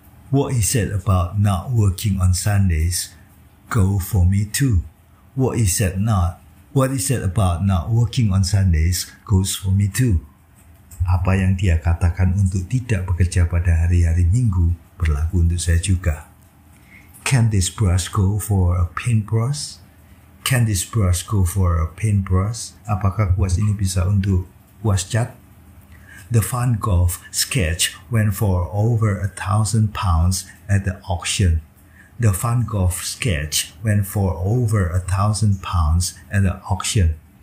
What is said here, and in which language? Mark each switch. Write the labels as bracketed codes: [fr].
[en] What he said about not working on Sundays, go for me too. What he said not, what he said about not working on Sundays, goes for me too. [id] Apa yang dia katakan untuk tidak bekerja pada hari-hari Minggu berlaku untuk saya juga. [en] Can this brush go for a paintbrush? Can this brush go for a paintbrush? [id] Apakah kuas ini bisa untuk kuas cat? [en] The Van Gogh sketch went for over £1,000 at the auction. The Van Gogh sketch went for over £1,000 at the auction.